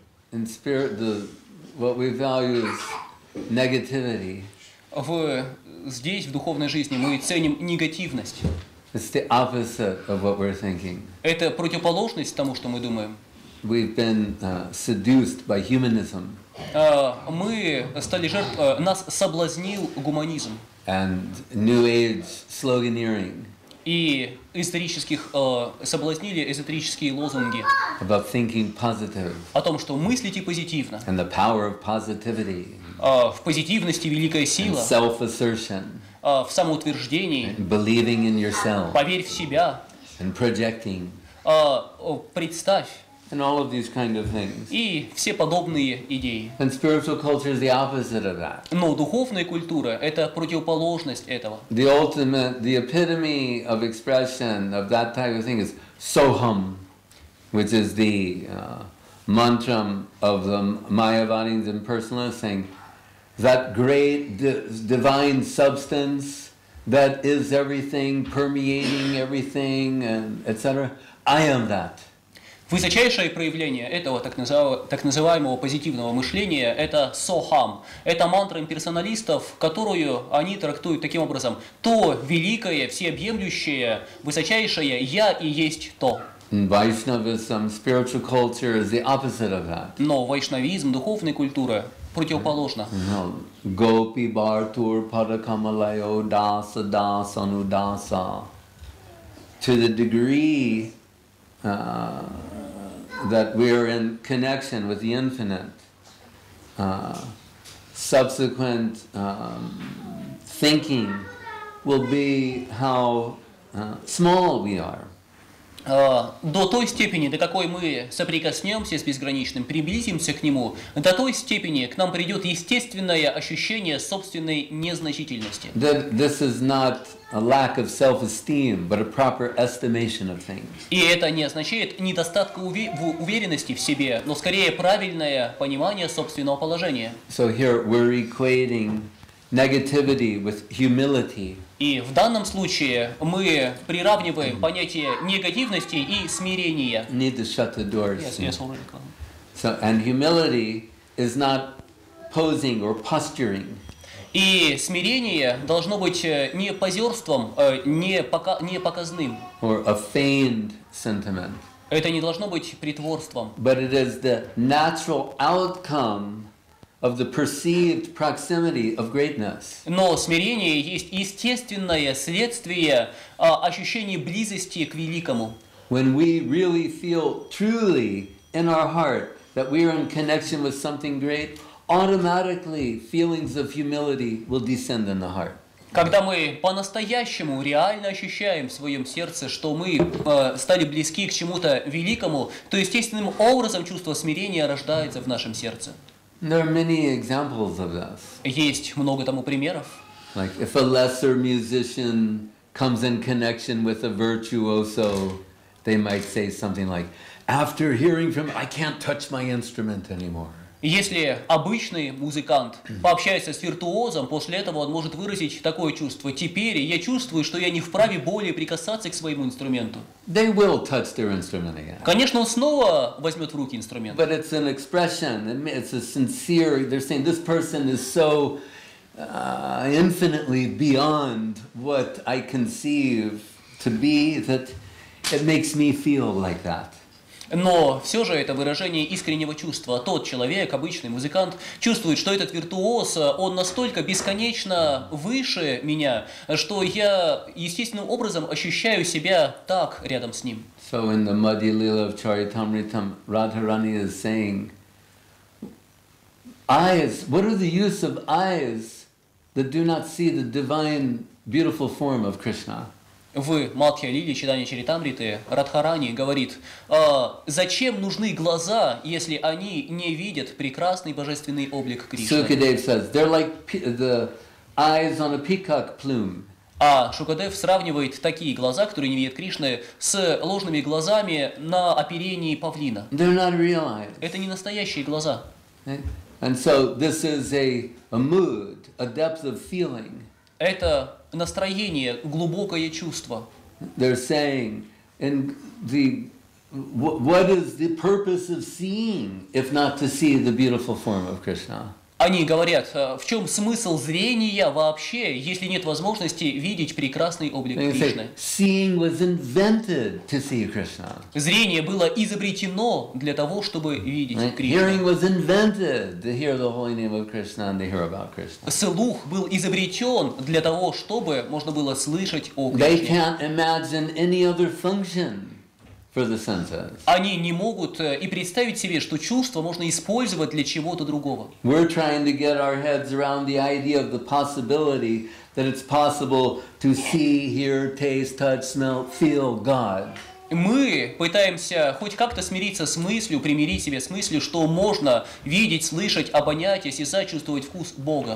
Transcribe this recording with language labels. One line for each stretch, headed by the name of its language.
English: In spirit, what we value is negativity.
Russian: Здесь, в духовной жизни, мы ценим негативность.
English: It's the opposite of what we're thinking.
Russian: Это противоположность тому, что мы думаем.
English: We've been seduced by humanism.
Russian: Мы стали жертвой, нас соблазнил гуманизм.
English: And New Age sloganeering.
Russian: И исторических соблазнили эзотерические лозунги.
English: About thinking positive.
Russian: О том, что мыслите позитивно.
English: And the power of positivity.
Russian: В позитивности великая сила.
English: And self-assertion.
Russian: В самоутверждении.
English: And believing in yourself.
Russian: Поверь в себя.
English: And projecting.
Russian: Представь.
English: And all of these kind of things.
Russian: И все подобные идеи.
English: And spiritual culture is the opposite of that.
Russian: Но духовная культура — это противоположность этого.
English: The ultimate, the epitome of expression of that type of thing is Soham, which is the mantra of the Mayavadins and impersonalists, saying that great divine substance that is everything, permeating everything, and etc. I am that.
Russian: Высочайшее проявление этого так называемого позитивного мышления – это «Soham». Это мантра имперсоналистов, которую они трактуют таким образом. «То великое, всеобъемлющее, высочайшее «Я» и есть то».
English: Vaishnavism, spiritual culture is the opposite of that.
Russian: Но вайшнавизм, духовная культура, противоположна.
Sanskrit: Гопи, бартур, падакамалайо, даса, даса, нудаса.
English: To the degree... that we are in connection with the infinite. Subsequent thinking will be how small we are.
Russian: До той степени, до какой мы соприкоснемся с безграничным, приблизимся к нему, до той степени к нам придет естественное ощущение собственной незначительности.
English: That this is not a lack of self-esteem, but a proper estimation of things.
Russian: И это не означает недостатка уверенности в себе, но скорее правильное понимание собственного положения.
English: So here we're equating negativity with humility.
Russian: И в данном случае мы приравниваем понятие негативности и смирения.
English: Need to shut the doors. Yes, yes, already. So, and humility is not posing or posturing.
Russian: И смирение должно быть не позерством, не показным.
English: Or a feigned sentiment.
Russian: Это не должно быть притворством.
English: But it is the natural outcome of the perceived proximity of greatness.
Russian: Но смирение есть естественное следствие ощущения близости к великому.
English: When we really feel truly in our heart that we are in connection with something great, automatically feelings of humility will descend in the heart.
Russian: Когда мы по-настоящему реально ощущаем в своем сердце, что мы стали близки к чему-то великому, то естественным образом чувство смирения рождается в нашем сердце.
English: There are many examples of this.
Russian: Есть много тому примеров.
English: Like if a lesser musician comes in connection with a virtuoso, they might say something like, "After hearing from, I can't touch my instrument anymore."
Russian: Если обычный музыкант пообщается с виртуозом, после этого он может выразить такое чувство: "Теперь я чувствую, что я не вправе более прикасаться к своему инструменту."
English: They will touch their instrument again.
Russian: Конечно, он снова возьмет в руки инструмент.
English: But it's an expression. It's a sincere. They're saying this person is so infinitely beyond what I conceive to be that it makes me feel like that.
Russian: Но все же это выражение искреннего чувства. Тот человек, обычный музыкант, чувствует, что этот виртуоз, он настолько бесконечно выше меня, что я естественным образом ощущаю себя так рядом с ним.
English: So in the Madhya Lila of Charitamritam, Radharani is saying, eyes, what are the use of eyes that do not see the divine beautiful form of Krishna?
Russian: В Мадхья Лиле, читании Чаритамриты, Радхарани говорит, зачем нужны глаза, если они не видят прекрасный божественный облик Кришны?
English: Sukadev says, they're like the eyes on a peacock plume.
Russian: А Шукадев сравнивает такие глаза, которые не видят Кришны, с ложными глазами на оперении павлина.
English: They're not real eyes.
Russian: Это не настоящие глаза.
English: And so this is a mood, a depth of feeling.
Russian: Это настроение, глубокое чувство.
English: They're saying in the What is the purpose of seeing, if not to see the beautiful form of Krishna?
Russian: Они говорят, в чем смысл зрения вообще, если нет возможности видеть прекрасный облик Кришны?
English: Seeing was invented to see Krishna.
Russian: Зрение было изобретено для того, чтобы видеть Кришну.
English: Hearing was invented to hear the holy name of Krishna and to hear about Krishna.
Russian: Слух был изобретен для того, чтобы можно было слышать о Кришне.
English: They can't imagine any other function. For the senses.
Russian: Они не могут и представить себе, что чувство можно использовать для чего-то другого.
English: We're trying to get our heads around the idea of the possibility that it's possible to see, hear, taste, touch, smell, feel God.
Russian: Мы пытаемся хоть как-то смириться с мыслью, примирить себя с мыслью, что можно видеть, слышать, обонять, осязать, чувствовать вкус Бога.